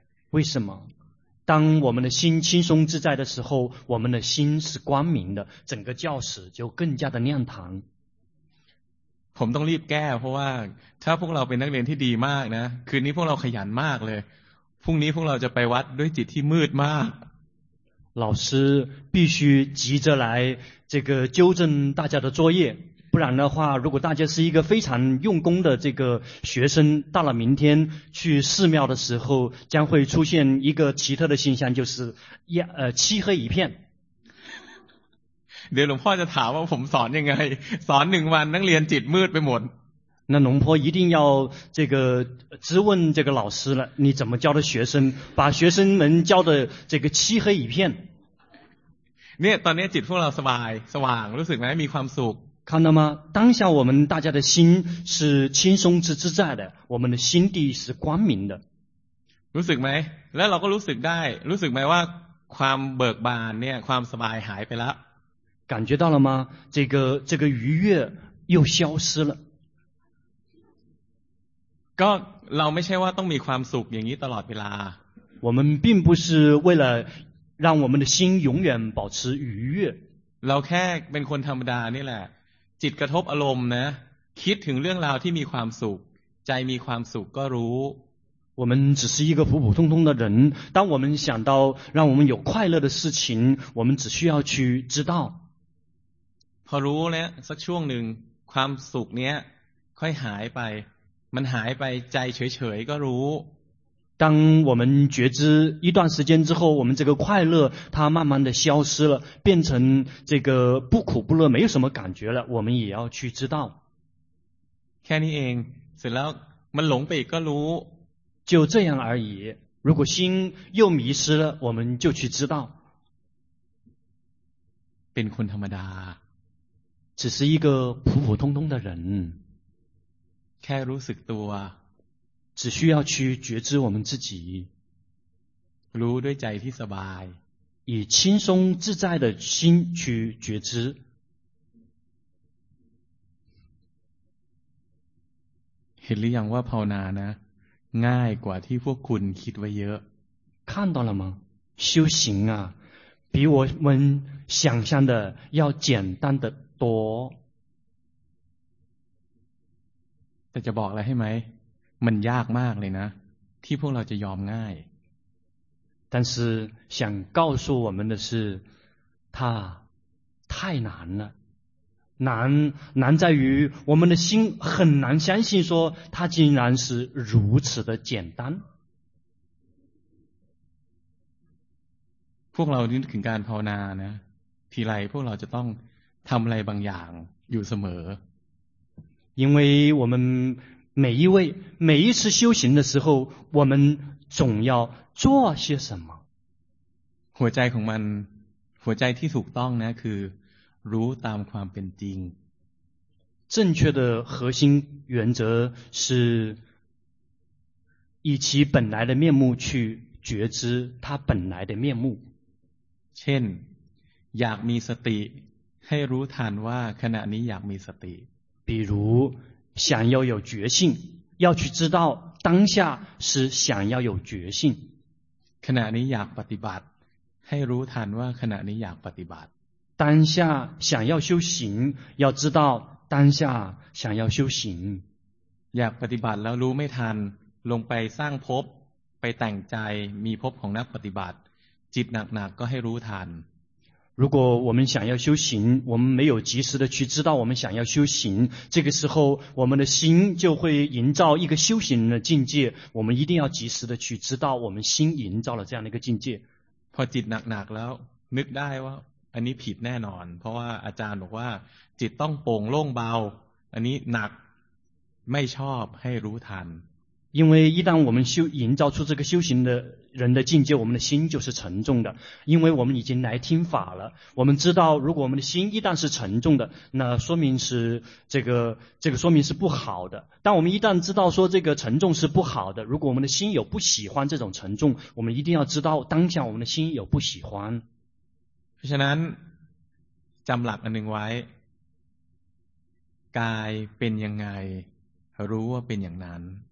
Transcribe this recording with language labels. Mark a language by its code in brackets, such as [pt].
[zh] 为什么当我们的心轻松自在的时候我们的心是光明的整个教室就更加的亮堂 [th] ผมต้องรีบแก้เพราะว่าถ้าพวกเราเป็นนักเรียนที่ดีมากนะคืนนี้พวกเราขยันมากเลยพรุ่งนี้พวกเราจะไปวัดด้วยจิตที่มืดมาก [zh] 老师必须急着来这个纠正大家的作业不然的话如果大家是一个非常用功的这个学生到了明天去寺庙的时候将会出现一个奇特的现象就是漆黑一片 [th] เดี๋ยวหลวงพ่อจะถามว่าผมสอนยังไงสอนหนึ่งวันนักเรียนจิตมืดไปหมด [zh] 那龙坡一定要这个质问这个老师了你怎么教的学生把学生们教的这个漆黑一片 [th] เนี่ยตอนนี้จิตพวกเราสบายสว่างรู้สึกไหมมีความสุข [zh] 看到吗当下我们大家的心是轻松之自在的我们的心地是光明的 [th] รู้สึกไหมแล้วเราก็รู้สึกได้รู้สึกไหมว่าความเบิกบานเนี่ยความสบายหายไปแล้ว [zh] 感觉到了吗？这个愉悦又消失了。 [th] ก็เราไม่ใช่ว่าต้องมีความสุขอย่างนี้ตลอดเวลา。 [zh] 我们并不是为了让我们的心永远保持愉悦。 [th] เราแค่เป็นคนธรรมดานี่แหละจิตกระทบอารมณ์นะคิดถึงเรื่องราวที่มีความสุขใจมีความสุขก็รู้ [zh] 我们只是一个普普通通的人当我们想到让我们有快乐的事情我们只需要去知道 [th] พอรู้แล้วสักช่วงหนึ่งความสุขเนี้ยค่อยหายไปมันหายไปใจเฉยๆก็รู้ [zh] 当我们觉知一段时间之后我们这个快乐它慢慢的消失了变成这个不苦不乐没有什么感觉了我们也要去知道 [th] แค่นี้เองเสร็จแล้วมันหลงไปก็รู้ [zh] 就这样而已如果心又迷失了我们就去知道 [th] เป็นคนธรรมดา [zh] 只是一个普普通通的人 [th] แค่รู้สึกตัว [zh] 只需要去觉知我们自己 [th] รู้ด้วยใจที่สบาย [zh] 以轻松自在的心去觉知 [th] เห็นหรือยังว่าภาวนานะง่ายกว่าที่พวกคุณคิดไว้เยอะ [zh] 看到了吗修行啊比我们想象的要简单的多 [th] แต่จะบอกอะไรให้ไหมมันยากมากเลยนะที่พวกเราจะยอมง่าย [zh] 但是想告诉我们的是它太难了难在于我们的心很难相信说它竟然是如此的简单 [th] พวกเราถึงการภาวนานะทีไรพวกเราจะต้องทำอะไรบางอย่าง อยู่เสม [zh] อ因为我们每一位每一次修行的时候我们总要做些什么 [th] หัวใจของมันหัวใจที่ถูกต้องนะคือรู้ตามความเป็นจริง [zh] 正确的核心原则是以其本来的面目去觉知它本来的面目 [th] เช่นอยากมีสติให้รู้ทันว่าขณะนี้อยากมีสติ [zh] 比如想要有觉性要去知道当下是想要有觉性 [th] ขณะนี้อยากปฏิบัติให้รู้ทันว่าขณะนี้อยากปฏิบัติ [zh] 当下想要修行要知道当下想要修行 [th] อยากปฏิบัติแล้วรู้ไม่ทันลงไปสร้างภพไปแต่งใจมีภพของนักปฏิบัติจิตหนักๆก็ให้รู้ทัน [zh] 如果我们想要修行我们没有及时的去知道我们想要修行这个时候我们的心就会营造一个修行的境界我们一定要及时的去知道我们心营造了这样的一个境界 [th] พอจิตหนักๆแล้วนึกได้ว่าอันนี้ผิดแน่นอนเพราะว่าอาจารย์บอกว่าจิตต้องโป่งโล่งเบาอันนี้หนักไม่ชอบให้รู้ทัน [zh] 因为一旦我们修营造出这个修行的人的境界我们的心就是沉重的因为我们已经来听法了我们知道如果我们的心一旦是沉重的那说明是这个说明是不好的但我们一旦知道说这个沉重是不好的如果我们的心有不喜欢这种沉重我们一定要知道当下我们的心有不喜欢 [th] ฉะนั้นจำหลักอันหนึ่งไว้กายเป็นยังไงรู้ว่าเป็นอย่างนั้น